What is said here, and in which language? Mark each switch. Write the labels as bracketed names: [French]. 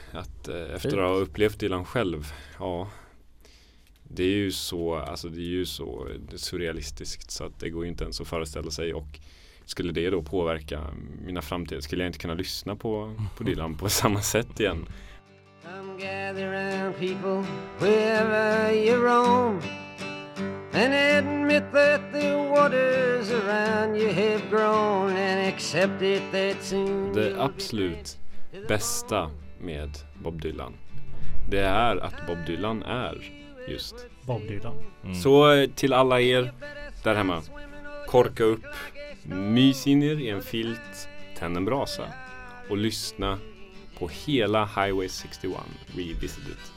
[Swedish] Att efter att ha upplevt Dylan själv, ja, det är ju så, alltså det är ju så surrealistiskt så att det går ju inte ens att föreställa sig. Och skulle det då påverka mina framtid, skulle jag inte kunna lyssna på Dylan på samma sätt igen? [English] Come gather round people wherever you roam, and admit that the waters around you have grown, and accept it that soon. [Swedish] Det absolut bästa med Bob Dylan, det är att Bob Dylan är just Bob Dylan. Så till alla er där hemma, korka upp, mys in er i en filt, tänd en brasa och lyssna på hela Highway 61 Revisited.